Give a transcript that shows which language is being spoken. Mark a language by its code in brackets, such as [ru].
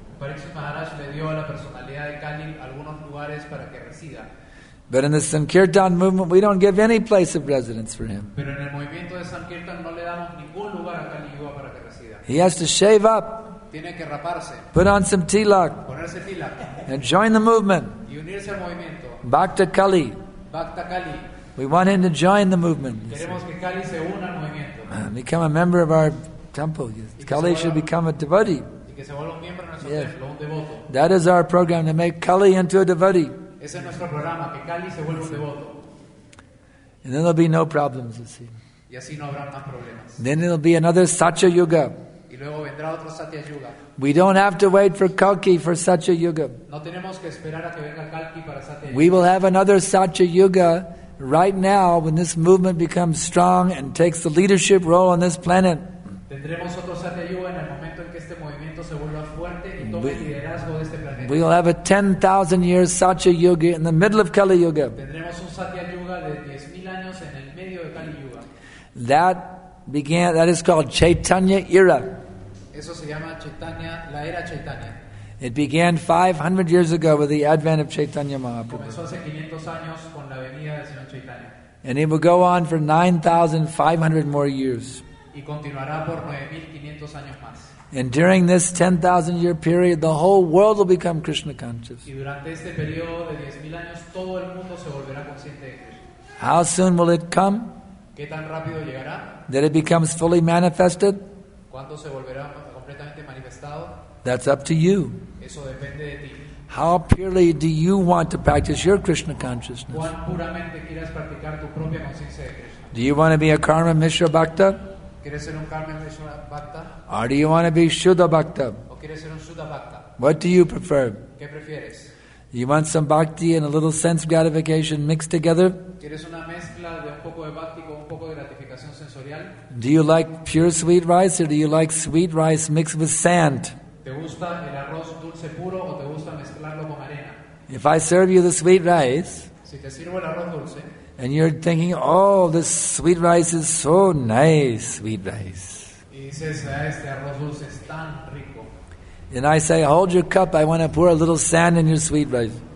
[es] Parikshit Maharaj le dio a la personalidad de Kali algunos lugares para que resida. [en] But in the Sankirtan movement, we don't give any place of residence for him. [es] Pero en el movimiento de Sankirtan no le damos ningún lugar a Kali Yuga para que resida. [en] He has to shave up. [es] Tiene que raparse. [en] Put on some tilak. [es] Ponerse tilak. [en] And join the movement. [es] Y unirse al movimiento. [en] Bhakta Kali. [es] Bhakta Kali. [en] We want him to join the movement. [es] Queremos que Kali se una al movimiento. [en] And become a member of our temple. Kali should become a devotee. [es] Y que se vuelva un miembro de nuestro templo, un devoto. [en] That is our program, to make Kali into a devotee. [es] Ese es nuestro programa, que Kali se vuelva un devoto. [en] And then there'll be no problems, you see. [es] Y así no habrá más problemas. [en] Then there'll be another Satya Yuga. [es] Y luego vendrá otro Satya Yuga. [en] We don't have to wait for Kalki for Satya Yuga. [es] No tenemos que esperar a que venga Kalki para Satya Yuga. [en] We will have another Satya Yuga right now when this movement becomes strong and takes the leadership role on this planet. [es] Tendremos otro Satya Yuga en el momento en que este movimiento se vuelva fuerte y tome el liderazgo de este planeta. [en] We will have a 10,000 year Satya Yuga in the middle of Kali Yuga. [es] Tendremos un Satya Yuga de 10,000 años en el medio de Kali Yuga. [en] That is called Chaitanya Era. [es] Eso se llama Chaitanya, la era Chaitanya. [en] It began 500 years ago with the advent of Chaitanya Mahaprabhu. [es] Comenzó hace 500 años con la venida del Señor Chaitanya. [en] And it will go on for 9,500 more years. [es] Y continuará por 9,500 años más. [en] And during this 10,000 year period, the whole world will become Krishna conscious. [es] Y durante este periodo de 10,000 años, todo el mundo se volverá consciente de Krishna. [en] How soon will it come? [es] ¿Qué tan rápido llegará? [en] That it becomes fully manifested? [es] ¿Cuándo se volverá completamente manifestado? [en] That's up to you. [es] Eso depende de ti. [en] How purely do you want to practice your Krishna consciousness? [es] ¿Cuán puramente quieres practicar tu propia conciencia de Krishna? [en] Do you want to be a Karma Mishra Bhakta? [es] ¿Quieres ser un Karma Mishra Bhakta? [en] Or do you want to be Shuddha Bhakta? [es] ¿O quieres ser un Shuddha Bhakta? [en] What do you prefer? [es] ¿Qué prefieres? [en] You want some bhakti and a little sense gratification mixed together? [es] ¿Quieres una mezcla de un poco de bhakti con un poco de gratificación sensorial? [en] Do you like pure sweet rice or do you like sweet rice mixed with sand? [es] ¿Te gusta el arroz dulce puro o te gusta mezclarlo con arena? [en] If I serve you the sweet rice, [es] si te sirvo el arroz dulce, [en] and you're thinking, oh, this sweet rice is so nice, sweet rice. [es] Y dices, este arroz dulce es tan rico. [en] And I say, hold your cup, I want to pour a little sand in your sweet rice.